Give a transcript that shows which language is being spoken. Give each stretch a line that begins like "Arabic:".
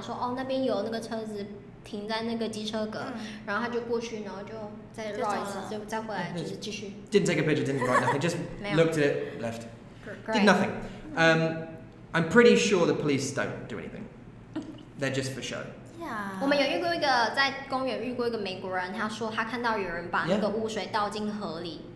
Chinese: 我们真的有跟一个警察讲过，有一个警察经过，然后我们跟他讲说，哦，那边有那个车子。停在那个机车格, 然后他就过去，然后就再绕一次，就再回来，就是继续。
English: Didn't take a picture, didn't write nothing, just looked at it, left. Great. Did nothing. I'm pretty sure the police don't do anything. They're just for show. Yeah.
Chinese: 我们有遇过一个在公园遇过一个美国人，他说他看到有人把那个污水倒进河里。